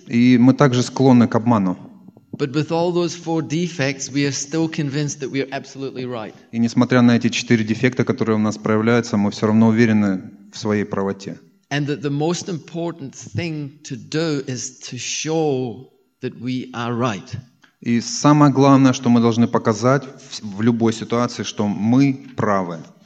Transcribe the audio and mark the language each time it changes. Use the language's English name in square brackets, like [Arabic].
[Russian] И мы также склонны к обману. [English] But with all those four defects, we are still convinced that we are absolutely right. [Russian] И несмотря на эти четыре дефекта, которые у нас проявляются, мы все равно уверены в своей правоте. [English] And that the most important thing to do is to show that we are right. [Russian] И самое главное, что мы должны показать в любой ситуации, что мы правы.